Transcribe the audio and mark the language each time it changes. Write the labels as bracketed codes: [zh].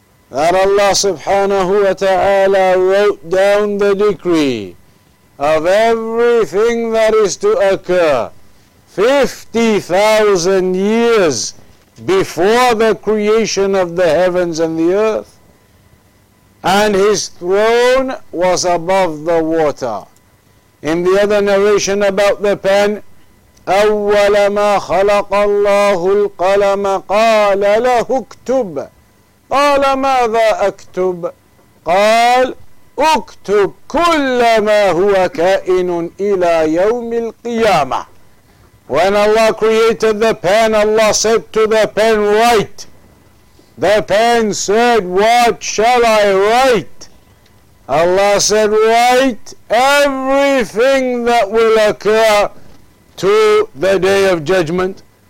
[en] That Allah subhanahu wa ta'ala wrote down the decree of everything that is to occur 50,000 years before the creation of the heavens and the earth, and his throne was above the water. In the other narration about the pen, [ar] أول ما خلق الله القلم قال له اكتب, قال ماذا اكتب, قال اكتب كل ما هو كائن إلى يوم القيامة. [en] When Allah created the pen, Allah said to the pen, write. The pen said, what shall I write? Allah said, write everything that will occur to the day of judgment.